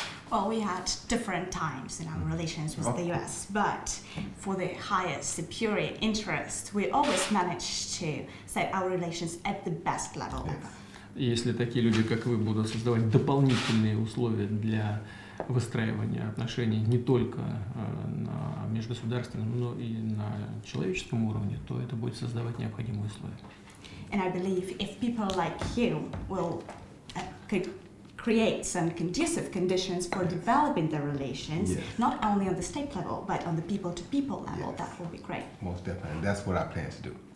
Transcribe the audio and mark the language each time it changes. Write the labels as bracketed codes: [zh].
[en] Well, we had different times in our relations with the U.S., but for the highest, the purest interest, we always managed to set our relations at the best level ever. [ru] Если такие люди, как вы, будут создавать дополнительные условия для выстраивания отношений не только на межгосударственном, но и на человеческом уровне, то это будет создавать необходимые условия. [en] And I believe if people like you will could create some conducive conditions for developing the relations, yes. not only on the state level, but on the people-to-people level, yes. that will be great. Most definitely. That's what I plan to do.